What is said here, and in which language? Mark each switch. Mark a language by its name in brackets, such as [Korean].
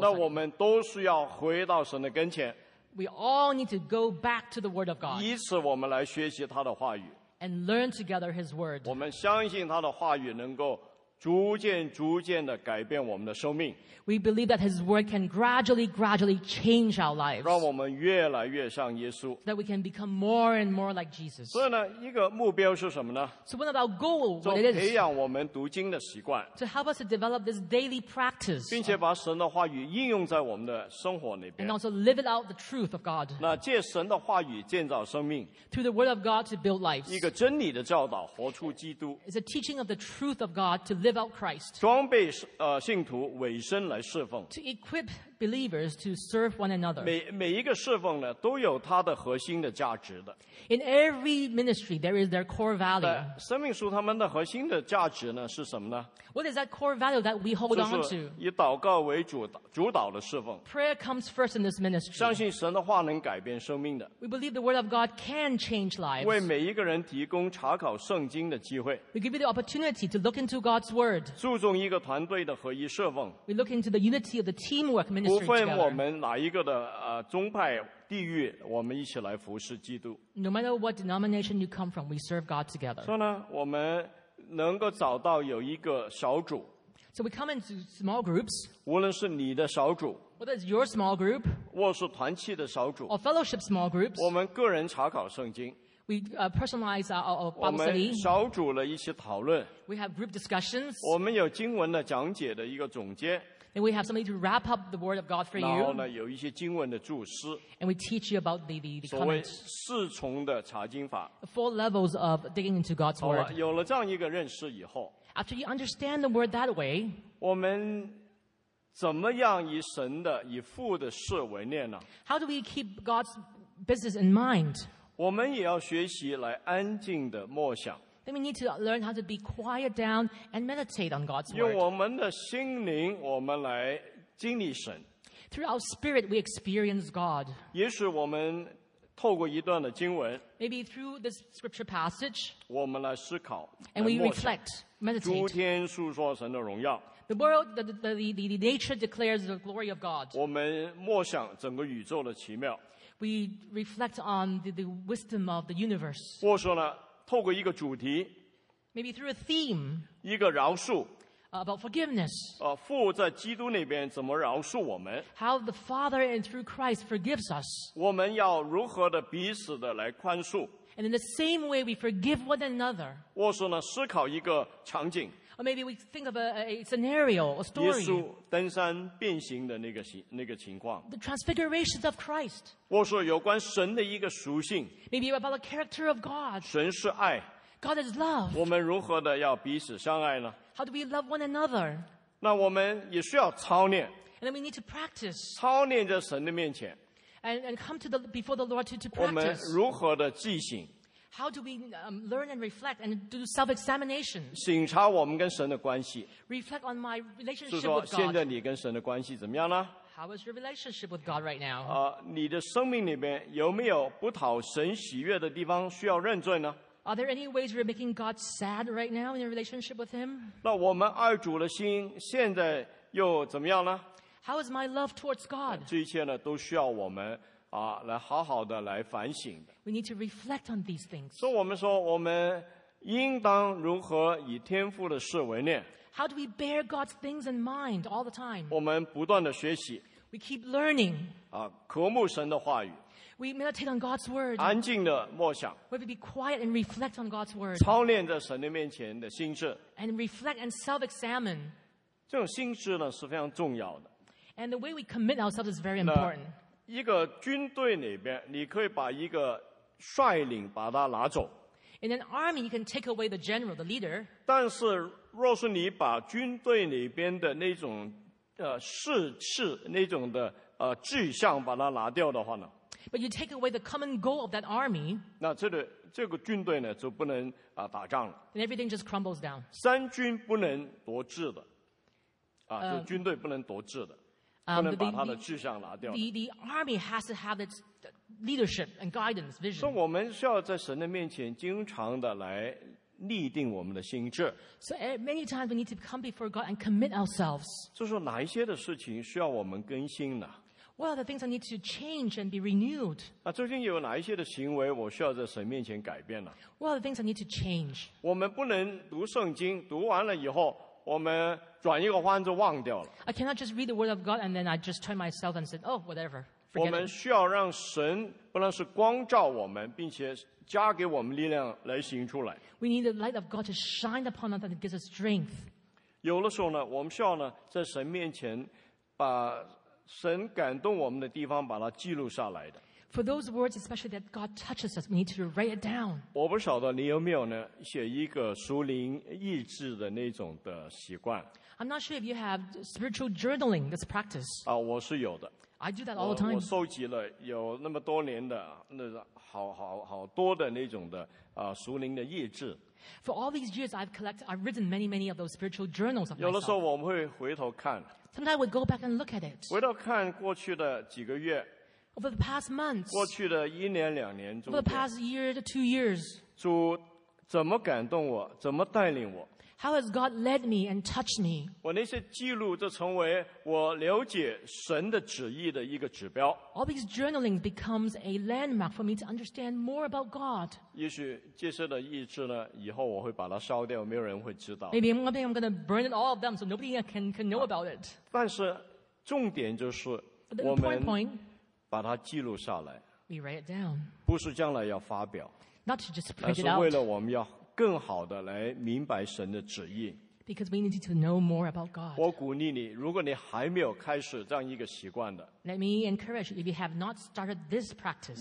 [Chinese] 那我们都需要回到神的跟前。 [English] We all need to go back to the Word of God. [Chinese] 以此我们来学习他的话语。 [English] And learn together His Word. [Chinese] 我们相信他的话语能够逐渐逐渐地改变我们的生命。 [English] We believe that His Word can gradually, gradually change our lives. [Chinese] 让我们越来越像耶稣。 [English] That we can become more and more like Jesus. [Chinese] 所以呢，一个目标是什么呢？ [English] So one of our goals, what it is? [Chinese] 就培养我们读经的习惯。 [English] To help us to develop this daily practice. [Chinese] 并且把神的话语应用在我们的生活里边。 [English] And also live it out the truth of God. [Chinese] 那借神的话语建造生命。 [English] Through the Word of God to build lives. [Chinese] 一个真理的教导，活出基督。 [English] It's a teaching of the truth of God to live out Christ. [Chinese] 装备信徒委身来侍奉。 [English] To equip believers to serve one another. [Chinese] 每一个侍奉呢，都有它的核心的价值的。 [English] In every ministry, there is their core value. [Chinese] 生命树他们的核心的价值呢，是什么呢？ [English] What is that core value that we hold on to? [Chinese] 就是以祷告为主导的侍奉。 [English] Prayer comes first in this ministry. [Chinese] 相信神的话能改变生命的。 [English] We believe the word of God can change lives. [Chinese] 为每一个人提供查考圣经的机会。 [English] We give you the opportunity to look into God's word. [Chinese] 注重一个团队的合一侍奉。 [English] We look into the unity of the teamwork ministry. [Chinese] 不分我们哪一个的宗派地域，我们一起来服侍基督。 [English] No matter what denomination you come from, we serve God together. [Chinese] 所以呢，我们能够找到有一个小组。 [English] So we come into small groups. [Chinese] 无论是你的小组。 [English] Whether it's your small group. [Chinese] 或是团契的小组。 [English] Or fellowship small groups. [Chinese] 我们个人查考圣经。 [English] We personalize our Bible study. [Chinese] 我们小组了一起讨论。 [English] We have group discussions. [Chinese] 我们有经文的讲解的一个总结。 [English] And we have somebody to wrap up the word of God for you. [Chinese] 然后呢，有一些经文的注释。 [English] And we teach you about the comments. [Chinese] 所谓四重的查经法。 [English] Four levels of digging into God's word. [Chinese] 好了，有了这样一个认识以后。 [English] After you understand the word that way. [Chinese] 我们怎么样以神的以父的事为念呢？ [English] How do we keep God's business in mind? [Chinese] 我们也要学习来安静的默想。 [English] Then we need to learn how to be quiet down and meditate on God's word. [Chinese] 用我们的心灵，我们来经历神。 [English] Through our spirit, we experience God. [Chinese] 也许我们透过一段的经文。 [English] Maybe through this scripture passage. [Chinese] 我们来思考。 [English] And we reflect, meditate. [Chinese] 诸天述说神的荣耀。 [English] The world, the nature declares the glory of God. [Chinese] 我们默想整个宇宙的奇妙。 [English] We reflect on the wisdom of the universe. [Chinese] 或说呢？透过一个主题 [English] ，maybe through a theme， [Chinese] 一个饶恕 [English] ，about forgiveness， [Chinese] 父在基督那边怎么饶恕我们 [English] ？How the Father and through Christ forgives us？ [Chinese] 我们要如何的彼此的来宽恕 [English] ？And in the same way we forgive one another。 [Chinese] 或是呢，思考一个场景 [English] ，or maybe we think of a scenario or story。 [Chinese] 耶稣登山变形的那个情况 [English] ，the transfiguration of Christ。 [Chinese] 或是有关神的一个属性 [English] ，maybe about the character of God。 [Chinese] 神是爱 [English] ，God is love。 [Chinese] 我们如何的要彼此相爱呢 [English] ？How do we love one another？ [Chinese] 那我们也需要操练 [English] ，and then we need to practice。 [Chinese] 操练在神的面前 [English] ，and come to the before the Lord to practice。 [Chinese] 我们如何的记性 [English] How do we learn and reflect and do self-examination? [Chinese] 审查我们跟神的关系。 [English] Reflect on my relationship [Chinese] 就说现在你跟神的关系怎么样呢？ [English] How is your relationship with God right now? [Chinese] 你的生命里面有没有不讨神喜悦的地方需要认罪呢？ [English] Are there any ways you're making God sad right now in your relationship with Him? [Chinese] 那我们爱主的心现在又怎么样呢？ [English] How is my love towards God? [Chinese] 这一切呢都需要我们来好好的来反省的。 [English] We need to reflect on these things. [Chinese] 所以我们说我们应当如何以天父的事为念。 [English] How do we bear God's things in mind all the time? [Chinese] 我们不断的学习。 [English] We keep learning. [Chinese] 渴慕神的话语。 [English] We meditate on God's word. [Chinese] 安静的默想。 [English] We be quiet and reflect on God's word. [Chinese] 操练在神的面前的心智。 [English] And reflect and self-examine. [Chinese] 这种心智呢是非常重要的。 [English] And the way we commit ourselves is very important. [Chinese] 一个军队里边，你可以把一个率领把他拿走。 [English] In an army, you can take away the general, the leader. [Chinese] 但是若是你把军队里边的那种士气那种的志向把它拿掉的话呢 [English] ？But you take away the common goal of that army. [Chinese] 那这个军队呢就不能打仗了。 [English] And everything just crumbles down. [Chinese] 三军不能夺志的，就军队不能夺志的，不能把它的志向拿掉。 [English] The army has to have its leadership and guidance vision. [Chinese] 所以我们需要在神的面前经常的来。立定我们的心智。 [English] So many times we need to come before God and commit ourselves. [Chinese] 就是哪一些的事情需要我们更新呢 [English] ？What are the things I need to change and be renewed? [Chinese] 啊，究竟有哪一些的行为我需要在神面前改变呢 [English] ？What are the things I need to change? [Chinese] 我们不能读圣经，读完了以后，我们转一个弯就忘掉了。 [English] I cannot just read the word of God and then I just turn myself and say, oh, whatever. [Chinese] 我们需要让神不但是光照我们，并且加给我们力量来行出来。 [English] We need the light of God to shine upon us and give us strength. [Chinese] 有的时候呢，我们需要呢，在神面前把神感动我们的地方把它记录下来的。 [English] For those words, especially that God touches us, we need to write it down. [Chinese] 我不晓得你有没有呢，写一个属灵意志的那种的习惯。 [English] I'm not sure if you have spiritual journaling this practice. [Chinese] 我是有的。 [English] I do that all the time. [Chinese] 我收集了有那么多年的那个好多的那种的属灵的意志。 [English] For all these years, I've written many of those spiritual journals of myself. [Chinese] 有的时候我们会回头看。 [English] Sometimes I would go back and look at it. [Chinese] 回头看过去的几个月。 [English] Over the past months. [Chinese] 过去的一年两年中。 [English] Over the past year to 2 years. [Chinese] 主怎么感动我？怎么带领我？ [English] How has God led me and touched me? [Chinese] 我那些记录就成为我了解神的旨意的一个指标。 [English] All these journaling becomes a landmark for me to understand more about God. [Chinese] 也许这些的意志呢，以后我会把它烧掉，没有人会知道。 [English] Maybe one day I'm going to burn it all of them, so nobody can know about it. [Chinese] 但是重点就是我们把它记录下来。 [English] We write it down. [Chinese] 不是将来要发表。 [English] Not to just print it out. [Chinese] 而是为了我们要。更好的来明白神的旨意。 [English] Because we need to know more about God. [Chinese] 我鼓励你，如果你还没有开始这样一个习惯的 [English] ，Let me encourage you if you have not started this practice.